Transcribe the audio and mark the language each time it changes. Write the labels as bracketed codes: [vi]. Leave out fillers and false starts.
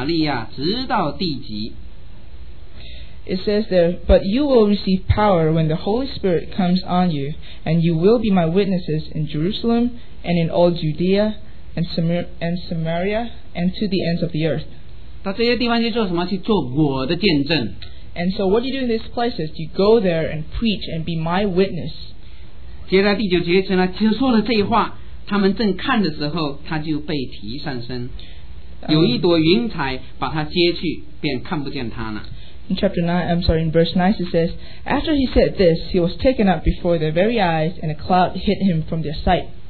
[zh] 他说，但圣灵会降临在你们的身上，你们就必得到能力，并要在耶路撒冷、犹太全地和撒玛利亚直到地极。 [en] It says there, "But you will receive power when the Holy Spirit comes on you, and you will be my witnesses in Jerusalem, and in all Judea, and Samaria, and to the ends of the earth." [zh] 到这些地方去做什么？去做我的见证。 [en] And so what do you do in these places? You go there and preach and be my witness. [zh] 接着第九节，他说了这话，他们正看的时候，他就被提上升，有一朵云彩把他接去，便看不见他了。 [en] In chapter 9, I'm sorry, in verse 9 it says, "After he said this, he was taken up before their very eyes, and a cloud hid him from their sight."